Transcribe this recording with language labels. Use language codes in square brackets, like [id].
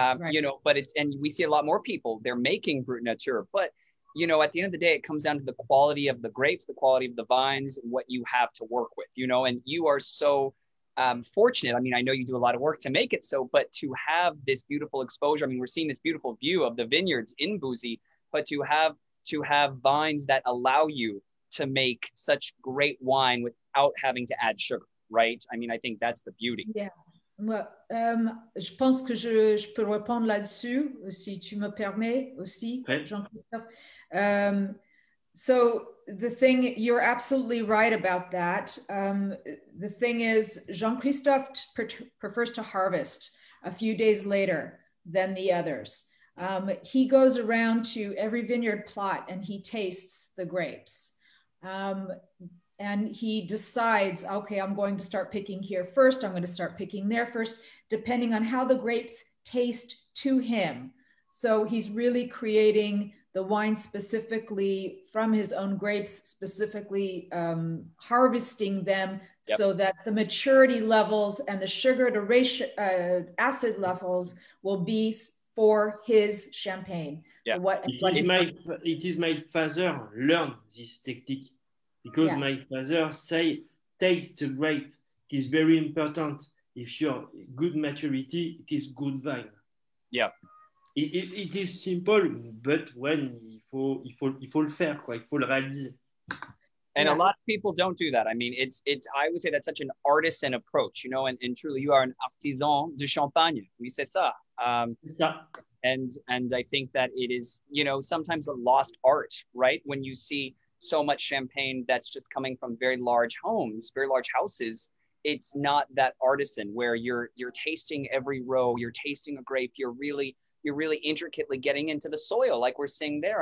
[en] you know, but it's, and we see a lot more people, they're making Brut Nature, but you know, at the end of the day, it comes down to the quality of the grapes, the quality of the vines, what you have to work with, you know, and you are so fortunate. I mean, I know you do a lot of work to make it so, but to have this beautiful exposure, I mean, we're seeing this beautiful view of the vineyards in Bouzy, but to have vines that allow you to make such great wine without having to add sugar, right? I mean, I think that's the beauty. Yeah. [fr] Well, je pense que je peux répondre là-dessus, si tu me permets aussi, Jean-Christophe. [en] So the thing, you're absolutely right about that. The thing is, Jean-Christophe prefers to harvest a few days later than the others. He goes around to every vineyard plot and he tastes the grapes. And he decides, okay, I'm going to start picking here first. I'm going to start picking there first, depending on how the grapes taste to him. So he's really creating the wine specifically from his own grapes, specifically harvesting them so that the maturity levels and the sugar to ratio acid levels will be for his champagne. Yeah. It is my father learned this technique because my father say, taste the grape. It is very important. If you're good maturity, it is good wine. Yeah. It is simple, but when [fr] il faut le faire, quoi, il faut le réaliser. [en] And a lot of people don't do that. I mean, it's I would say that's such an artisan approach, you know, and truly you are an artisan de champagne. [fr] Oui, c'est ça. [en] And I think that it is, you know, sometimes a lost art, right? When you see so much champagne that's just coming from very large homes, very large houses, it's not that artisan where you're tasting every row, you're tasting a grape, you're really intricately getting into the soil like we're seeing there.